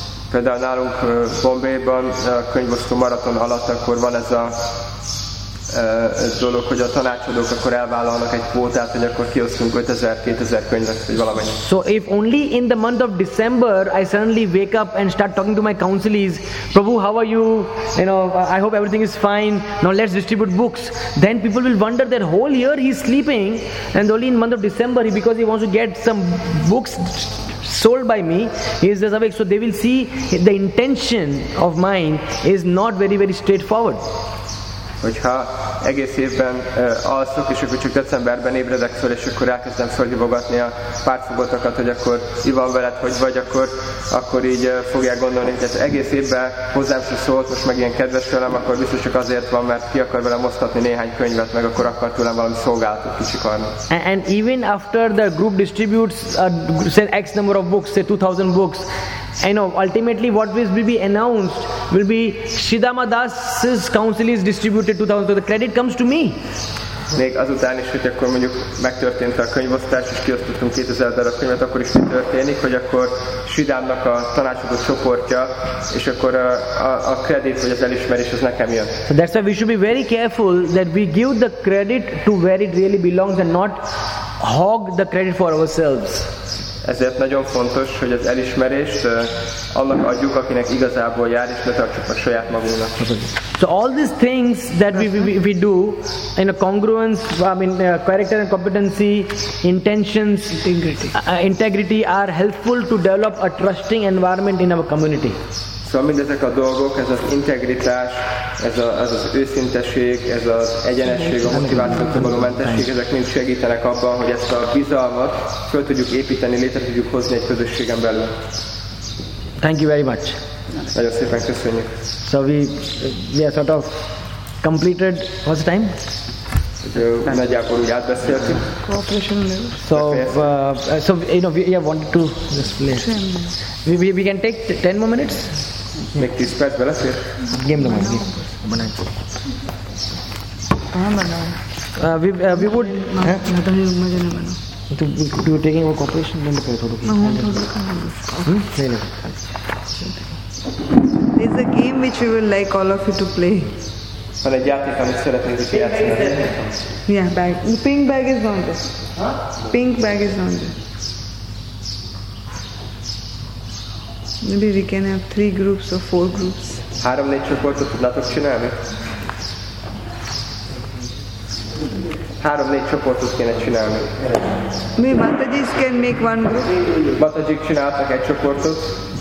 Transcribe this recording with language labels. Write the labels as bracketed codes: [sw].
[hu] Például nálunk Bombayban a könyvosztó maraton alatt akkor van ez a dolog, hogy a tanácsadók akkor elvállalnak egy kvótát, hogy akkor kiosztunk 5000-2000 könyvet, vagy valamennyi. [en] So if only in the month of December I suddenly wake up and start talking to my counselees, Prabhu, how are you? You know, I hope everything is fine. Now let's distribute books. Then people will wonder that whole year he's sleeping and only in month of December, because he wants to get some books sold by me, he is just awake. So they will see the intention of mine is not very, very straightforward. [hu] Hogyha egész évben alszok, és akkor csak decemberben ébredek föl, és akkor elkezdem fölhívogatni a pártfogottakat, hogy akkor mi van veled, hogy vagy, akkor így fogják gondolni, hogy ez egész évben hozzám se szólt, most meg ilyen kedves velem, akkor biztos csak azért van, mert ki akar velem osztatni néhány könyvet, meg akkor akar tőlem valami szolgálatot kicsikarni. [en] And even after the group distributes say X number of books, say 2000 books, I know ultimately what will be announced will be Shidama Das's council is distributed 2000, so the credit comes to me. [hu] Még azután is, hogy akkor mondjuk megtörtént a könyvosztás, és kiosztottunk 2000 darab könyvet, akkor is mi történik, hogy akkor Sidámnak a tanácsadó csoportja, és akkor a kredit, vagy az elismerés, az nekem jön. [en] So that's why we should be very careful that we give the credit to where it really belongs and not hog the credit for ourselves. [hu] Ezért nagyon fontos, hogy az elismerést annak adjuk, akinek igazából jár, és ne tartsuk a saját magunknak. [en] So all these things that we do in a congruence, character and competency, intentions, integrity are helpful to develop a trusting environment in our community. [hu] Szóval mindezek a dolgok, ez az integritás, ez az őszinteség, ez az egyenesség, a motivációtól való mentesség, ezek mind segítenek abban, hogy ezt a bizalmat föl tudjuk építeni, létre tudjuk hozni egy közösségen belül. [en] Thank you very much. [hu] Nagyon szépen köszönjük. [en] So we are sort of completed, what's the time? [hu] Nagyjából úgy átbeszéltük. [en] Cooperation level. So you know, we have wanted to display. We can take 10 more minutes. Make this part well, sir. Game the money. We would. Do you take any cooperation? Then the photo. There is a game which we would like all of you to play. [hu] Van egy játék, amit szeretnénk is játszani. [en] Yeah, bag. The pink bag is on there. Pink bag is on there. Maybe we can have three groups or four groups. [hu] Három négy csoportot tudnátok csinálni? Három négy csoportot kéne csinálni. [en] Mi Bataji can make one group. [hu] Bataji csináltak egy csoportot.